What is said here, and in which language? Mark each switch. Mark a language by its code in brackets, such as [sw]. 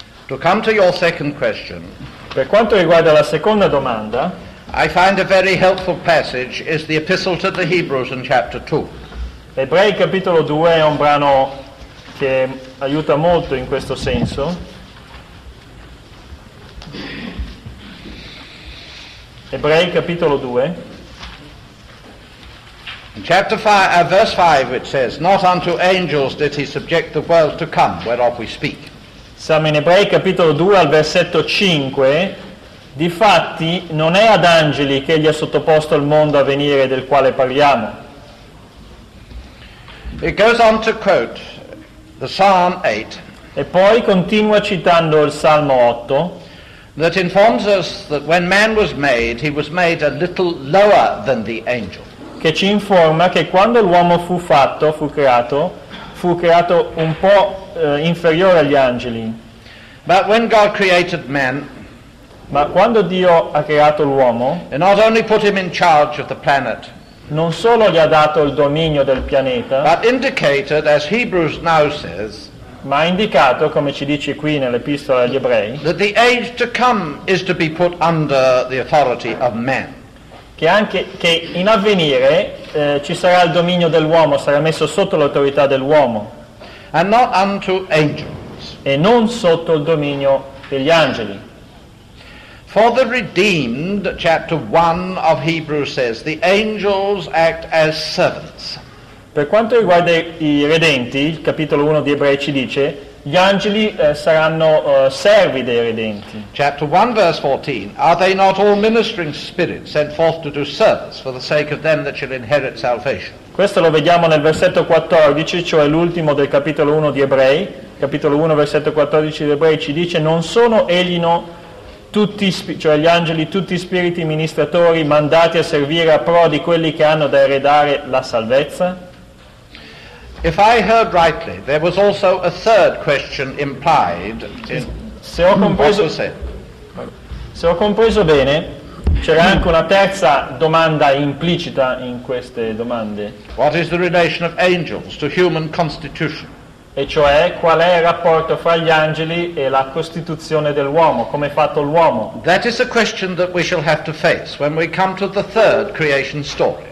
[en] To come to your second question, [it] per quanto riguarda la seconda domanda, [en] I find a very helpful passage is the Epistle to the Hebrews in chapter 2. [it] Ebrei capitolo 2 è un brano che aiuta molto in questo senso. Ebrei capitolo 2. [en] In chapter 5, verse 5 it says, not unto angels did he subject the world to come, whereof we speak. [it] Siamo in Ebrei capitolo 2 al versetto 5. Difatti non è ad angeli che egli ha sottoposto il mondo a venire del quale parliamo. [en] It goes on to quote the Psalm 8. [it] E poi continua citando il Salmo 8. [en] That informs us that when man was made, he was made a little lower than the angel. [it] Che ci informa che quando l'uomo fu creato un po' inferiore agli angeli. [en] But when God created man, [it] ma quando Dio ha creato l'uomo, [en] he not only put him in charge of the planet, [it] non solo gli ha dato il dominio del pianeta, [en] but indicated, as Hebrews now says, [it] ma ha indicato, come ci dice qui nell'Epistola agli Ebrei, [en] that the age to come is to be put under the authority of man. [it] Che anche che in avvenire ci sarà il dominio dell'uomo, sarà messo sotto l'autorità dell'uomo. [en] And not unto angels. [it] E non sotto il dominio degli angeli. [en] For the redeemed, chapter 1 of Hebrews says, the angels act as servants. [it] Per quanto riguarda i redenti, il capitolo 1 di Ebrei ci dice, gli angeli saranno servi dei redenti. [en] Chapter 1 verse 14, are they not all ministering spirits sent forth to do service for the sake of them that shall inherit salvation? [it] Questo lo vediamo nel versetto 14, cioè l'ultimo del capitolo 1 di Ebrei. Capitolo 1 versetto 14 di Ebrei ci dice, non sono egli no tutti, cioè gli angeli, tutti spiriti ministratori mandati a servire a pro di quelli che hanno da eredare la salvezza? [en] If I heard rightly, there was also a third question implied in [it] se ho compreso, [en] what was said. [it] Se ho compreso bene, c'era anche una terza domanda implicita in queste domande. [en] What is the relation of angels to human constitution? [it] E cioè, qual è il rapporto fra gli angeli e la costituzione dell'uomo, come è fatto l'uomo? [en] That is a question that we shall have to face when we come to the third creation story.